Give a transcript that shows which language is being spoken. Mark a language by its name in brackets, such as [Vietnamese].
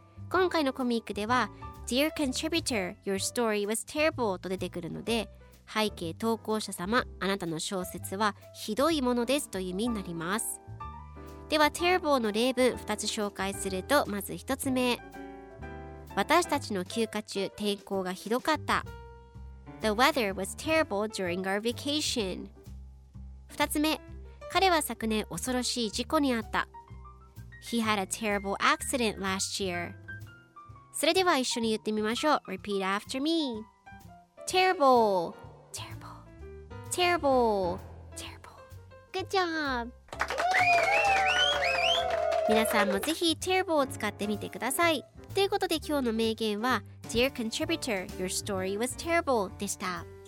[Japanese] 今回のコミックでは [English] Dear Contributor, your story was terrible [Japanese] と出てくるので、背景投稿者様、あなたの小説はひどいものですという意味になります。では Terrible の例文2つ紹介すると、まず1つ目、私たちの休暇中天候がひどかった。 [English] The weather was terrible during our vacation. [Japanese] 2つ目、彼は昨年恐ろしい事故にあった。 [English] He had a terrible accident last year. [Japanese] それでは一緒に言ってみましょう。 [English] Repeat after me. Terrible. Terrible. Terrible. Terrible. Good job. [Japanese] 皆さんもぜひ Terrible を使ってみてください。ということで今日の名言は [English] Dear Contributor, your story was terrible [Japanese] でした。